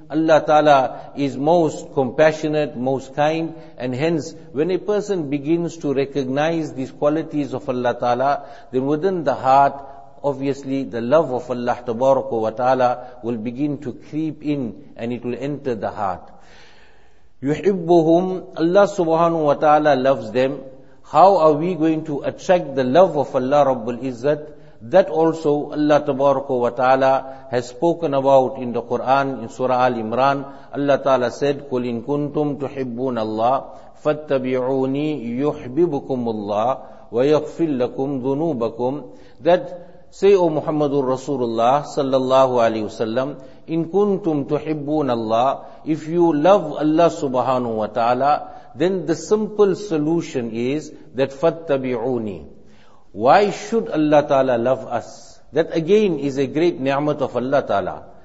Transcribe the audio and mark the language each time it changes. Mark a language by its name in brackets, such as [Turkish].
[English] Allah Ta'ala is most compassionate, most kind, and hence when a person begins to recognize these qualities of Allah Ta'ala, then within the heart, obviously the love of Allah Tabaraka wa Ta'ala will begin to creep in and it will enter the heart. [Arabic] يُحِبُّهُمْ [English] Allah Subhanahu wa Ta'ala loves them. How are we going to attract the love of Allah Rabbul Izzat? That also Allah Tabaraka wa Ta'ala has spoken about in the Quran, in Surah Al-Imran. Allah Ta'ala said, [Arabic] قُلْ إِن كُنْتُمْ تُحِبُّونَ اللَّهِ فَاتَّبِعُونِي يُحْبِبُكُمُ اللَّهِ وَيَغْفِرْ لَكُمْ ذُنُوبَكُمْ. [English] That, say, O Muhammadur Rasulullah sallallahu alayhi wa sallam, [Arabic] إِن كُنْتُمْ تُحِبُّونَ اللَّهِ, [English] if you love Allah Subhanahu wa Ta'ala, then the simple solution is that [Arabic] فَاتَّبِعُونِي. [English] Why should Allah Ta'ala love us? That again is a great ni'mat of Allah Ta'ala.